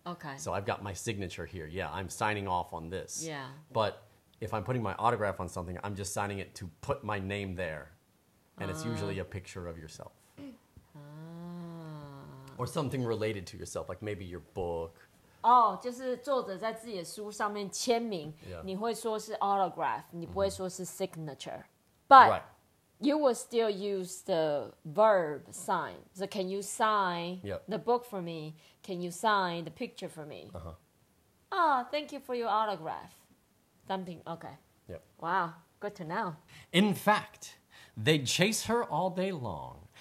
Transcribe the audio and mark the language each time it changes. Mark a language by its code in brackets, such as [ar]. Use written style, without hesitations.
[en] Okay. So I've got my signature here. Yeah, I'm signing off on this. Yeah. But if I'm putting my autograph on something, I'm just signing it to put my name there. And it's usually a picture of yourself. Or something related to yourself, like maybe your book. [zh] Oh, 就是作者在自己的书上面签名, [en] yeah. [zh] 你会说是autograph, 你不会说是signature. [en] But right. You will still use the verb sign. So can you sign the book for me? Can you sign the picture for me? Uh-huh. Oh, thank you for your autograph. Something, okay. Yep. Wow, good to know. In fact, they'd chase her all day long.